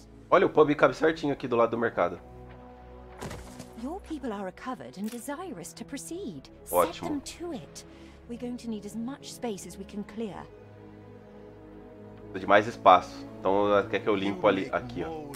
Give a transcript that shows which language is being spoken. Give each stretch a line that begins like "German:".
Portuguese: Olha, o pub cabe certinho aqui do lado do mercado.
English: Your people are recovered and desirous to proceed. Ótimo. Set them to it. We're going to need as much space as we can clear.
Portuguese: Precisa de mais espaço. Então quer que eu limpo ali aqui, ó.